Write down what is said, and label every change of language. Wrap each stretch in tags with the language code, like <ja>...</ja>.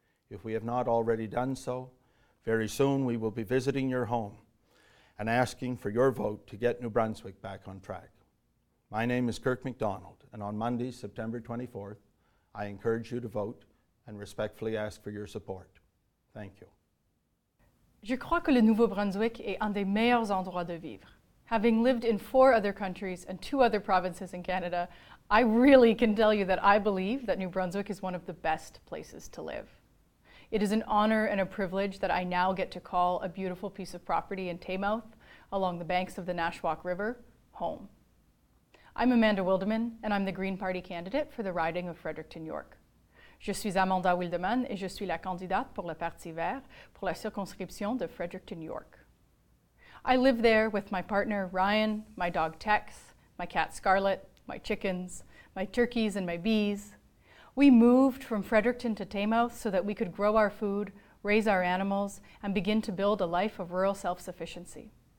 <en>If we have not already done so, very soon we will be visiting your home and asking for your vote to get New Brunswick back on track. My name is Kirk McDonald, and on Monday, September 24th, I encourage you to vote and respectfully ask for your support. Thank you.</en> <fr>Je crois que le Nouveau-Brunswick est un des meilleurs endroits de vivre.</fr> <en>Having lived in four other countries and two other provinces in Canada, I really can tell you that I believe that New Brunswick is one of the best places to live. It is an honor and a privilege that I now get to call a beautiful piece of property in Taymouth along the banks of the Nashwauk River home. I'm Amanda Wildeman, and I'm the Green Party candidate for the riding of Fredericton-York.</en> <fr>Je suis Amanda Wildeman et je suis la candidate pour le Parti Vert pour la circonscription de Fredericton-York.</fr> <en>I live there with my partner Ryan, my dog Tex, my cat Scarlett, my chickens, my turkeys and my bees. We moved from Fredericton to Taymouth so that we could grow our food, raise our animals, and begin to build a life of rural self-sufficiency.</en>